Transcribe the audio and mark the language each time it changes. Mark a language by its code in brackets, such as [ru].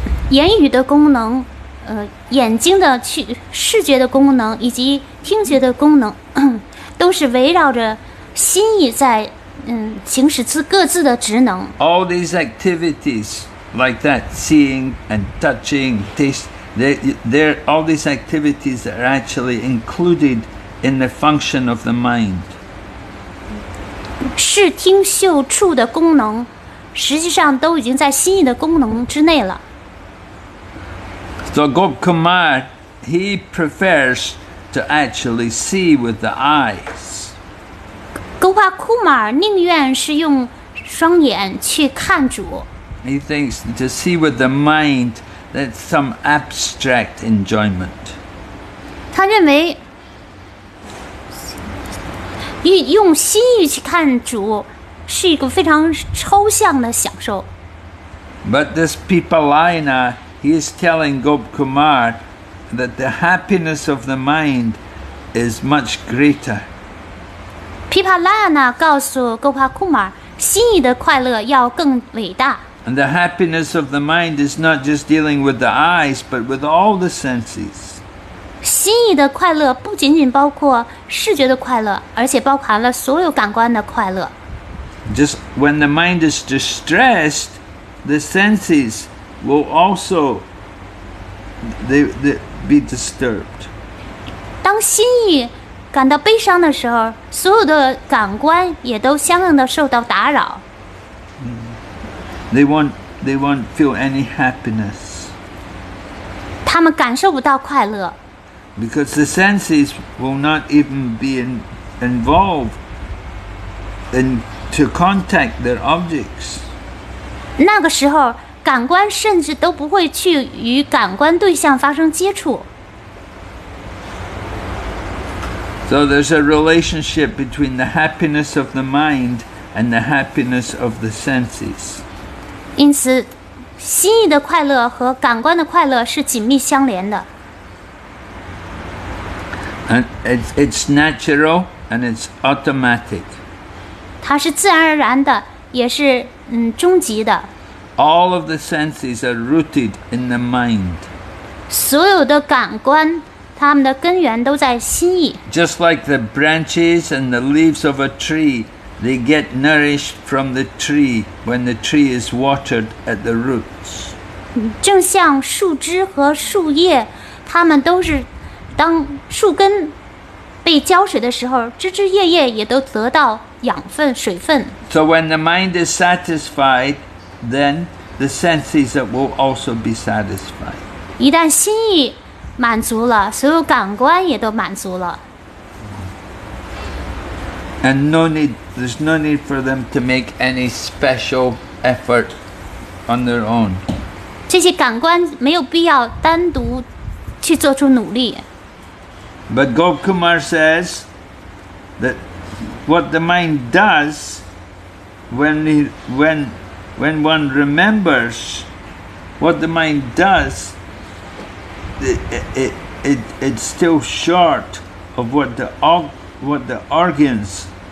[zh] 言语的功能，眼睛的去视觉的功能以及听觉的功能，都是围绕着。心意在行使各自的职能。 [en] All these activities like that, seeing and touching, taste, they're all these activities that are actually included in the function of the mind. [zh] 视听嗅触的功能，实际上都已经在心意的功能之内了。 [en] So Gop Kumar, he prefers to actually see with the eye. [zh] Gopa Kumar 宁愿是用双眼去看主。 [en] He thinks to see with the mind that's some abstract enjoyment. [zh] 他认为用心意去看主是一个非常抽象的享受。 [en] But this Pipalina, he is telling Gop Kumar that the happiness of the mind is much greater. [zh] 琵琶拉雅纳告诉戈帕库玛，心意的快乐要更伟大。 [en] And the happiness of the mind is not just dealing with the eyes, but with all the senses. [zh] 心意的快乐不仅仅包括视觉的快乐，而且包含了所有感官的快乐。 [en] Just when the mind is distressed, the senses will also they be disturbed. [zh] 当心意感到悲伤的时候，所有的感官也都相应的受到打扰。 [en] They won't feel any happiness. [zh] 他们感受不到快乐。 [en] Because the senses will not even be involved in to contact their objects. [zh] 那个时候，感官甚至都不会去与感官对象发生接触。 [en] So there's a relationship between the happiness of the mind and the happiness of the senses. [zh] 因此，心意的快乐和感官的快乐是紧密相连的。 [en] And it's natural and it's automatic. [zh] 它是自然而然的，也是终极的。 [en] All of the senses are rooted in the mind. [zh] 所有的感官它们的根源都在心意。 [en] Just like the branches and the leaves of a tree, They get nourished from the tree when the tree is watered at the roots. [zh] 正像树枝和树叶，它们都是当树根被浇水的时候，枝枝叶叶也都得到养分、水分。 [en] So when the mind is satisfied, then the senses will also be satisfied. [zh] 一旦心意满足了，所有感官也都满足了。 [en] And no need, there's no need for them to make any special effort on their own. [zh] 这些感官没有必要单独去做出努力。 [en] But Gop Kumar says that what the mind does when one remembers what the mind does, it's still short of what the organs.